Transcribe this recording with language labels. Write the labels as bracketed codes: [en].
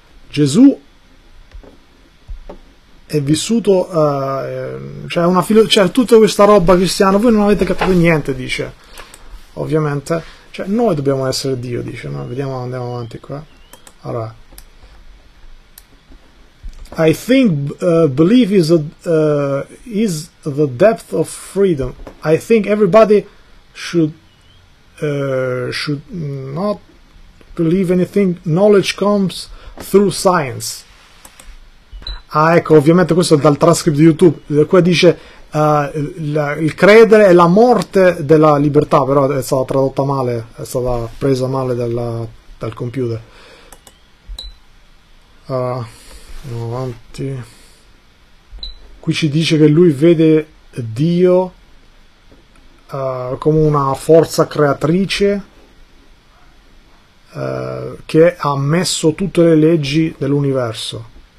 [it] Gesù è vissuto, cioè una cioè tutta questa roba cristiana, voi non avete capito niente, dice. Ovviamente, cioè noi dobbiamo essere Dio, dice, no? Vediamo, andiamo avanti qua. Allora. [en] I think belief is the depth of freedom. I think everybody should not believe anything. Knowledge comes through science. [it] Ah, ecco, ovviamente questo è dal transcript di YouTube. Qua dice il credere è la morte della libertà, però è stata tradotta male, è stata presa male dal computer. Avanti. Qui ci dice che lui vede Dio come una forza creatrice che ha messo tutte le leggi dell'universo.